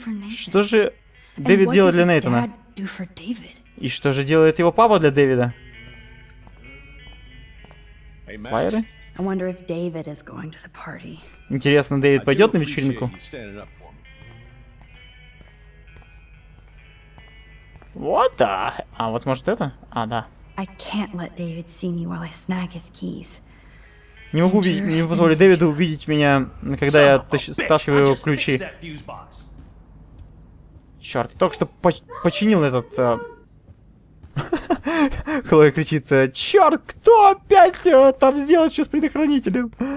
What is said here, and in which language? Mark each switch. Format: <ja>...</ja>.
<ru>Что же Дэвид делает для Нейтана? И что же делает его папа для Дэвида? Байеры?</ru> <en>I wonder if David is going to the party.</en> <ru>Интересно, Дэвид пойдет на вечеринку?</ru> <en>What the?</en> <ru>А вот может это? А да.</ru> <en>I can't let David see me while I snag his keys.</en> <ru>Не могу не позволить Дэвиду увидеть меня, когда я стаскиваю его ключи. Черт, только что починил этот. Хлоя кричит, черт, кто опять там сделал что с предохранителем?</ru>